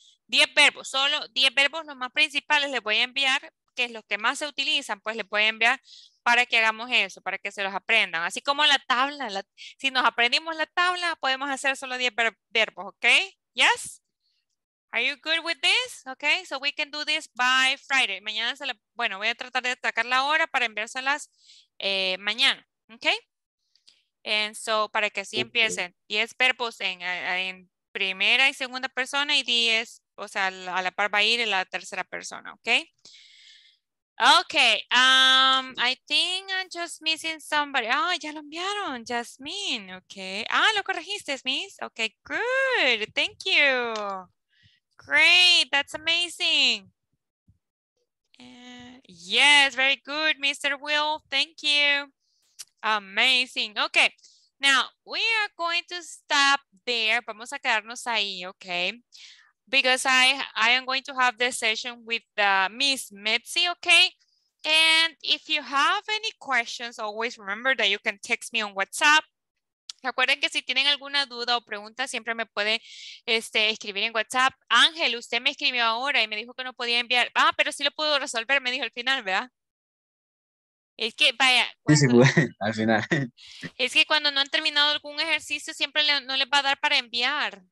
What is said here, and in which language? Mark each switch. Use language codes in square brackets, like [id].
[es] 10 verbos, solo 10 verbos, los más principales les voy a enviar, que es los que más se utilizan, pues les voy a enviar para que hagamos eso, para que se los aprendan. Así como la tabla, si nos aprendimos la tabla, podemos hacer solo 10 verbos, ok. [en] Yes. Are you good with this? Okay, so we can do this by Friday. [es] Mañana se la, bueno, voy a tratar de destacar la hora para enviárselas mañana. Okay? [en] And so, [es] para que así okay. empiecen, 10 verbos en primera y segunda persona y 10, o sea, a la par va a ir en la tercera persona. Okay? [en] Okay, I think I'm just missing somebody. [es] Oh, ya lo enviaron, Jasmine. Okay. Ah, lo corregiste, Miss. [en] Okay, good. Thank you. Great, that's amazing. Yes, very good, Mr. Will. Thank you. Amazing. Okay, now we are going to stop there. [es] Vamos a quedarnos ahí, okay? [en] Because I am going to have this session with Miss Mitzi, okay? And if you have any questions, always remember that you can text me on WhatsApp. [es] Recuerden que si tienen alguna duda o pregunta, siempre me pueden escribir en WhatsApp. Ángel, usted me escribió ahora y me dijo que no podía enviar. Ah, pero sí lo pudo resolver, me dijo al final, ¿verdad? Es que vaya. Cuando, sí, se puede, al final. Es que cuando no han terminado algún ejercicio, siempre no les va a dar para enviar.